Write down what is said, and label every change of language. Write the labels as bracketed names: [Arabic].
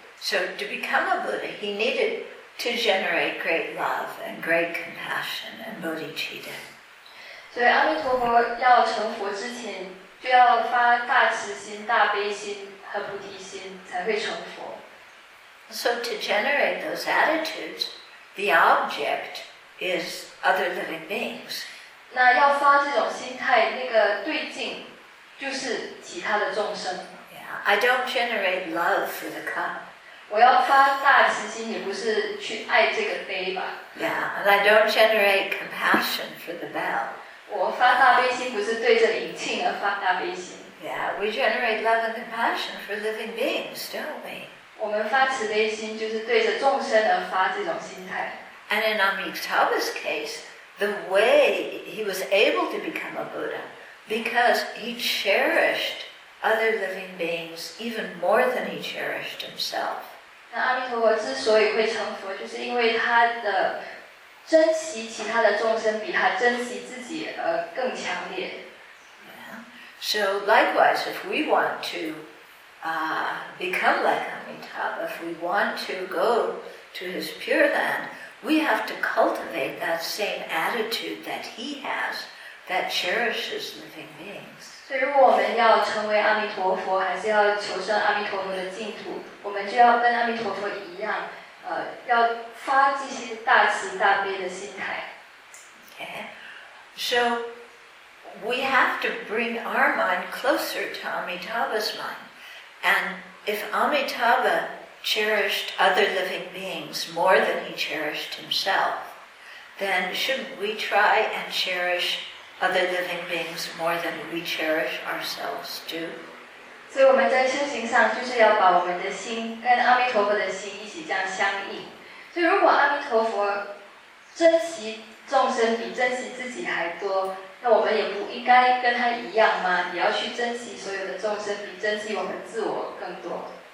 [English] So to become a Buddha, he needed to generate great love and great compassion and bodhicitta. [Chinese] 所以阿弥陀佛要成佛之前，就要发大慈心、大悲心和菩提心，才会成佛。 [English] So to generate those attitudes, the object is other living beings. [Chinese] 那要发这种心态，那个对境就是其他的众生。 [English] Yeah, I don't generate love for the cup. [Chinese] 我要发大慈心，也不是去爱这个杯吧。 [English] Yeah, and I don't generate compassion for the bell. [Chinese] 我发大悲心不是对着引磬而发大悲心。 [English] Yeah, we generate love and compassion for living beings, don't we? [Chinese] 我们发慈悲心就是对着众生而发这种心态。 [English] And in Amitabha's case, the way he was able to become a Buddha, because he cherished other living beings even more than he cherished himself. [Chinese] 那阿弥陀佛之所以会成佛，就是因为他的珍惜其他的众生比他珍惜自己更强烈。 [English] Yeah. So likewise, if we want to become like Amitabha, if we want to go to his pure land, we have to cultivate that same attitude that he has, that cherishes living beings. [Chinese] 所以如果我们要成为阿弥陀佛，还是要求生阿弥陀佛的净土，我们就要跟阿弥陀佛一样，要发这些大慈大悲的心态。 [English] Okay. So we have to bring our mind closer to Amitabha's mind. And if Amitabha cherished other living beings more than he cherished himself, then shouldn't we try and cherish other living beings more than we cherish ourselves too? [Chinese] 所以我们在修行上就是要把我们的心跟阿弥陀佛的心一起这样相应。所以如果阿弥陀佛珍惜众生比珍惜自己还多，那我们也不应该跟他一样吗？也要去珍惜所有的众生，比珍惜我们自我更多。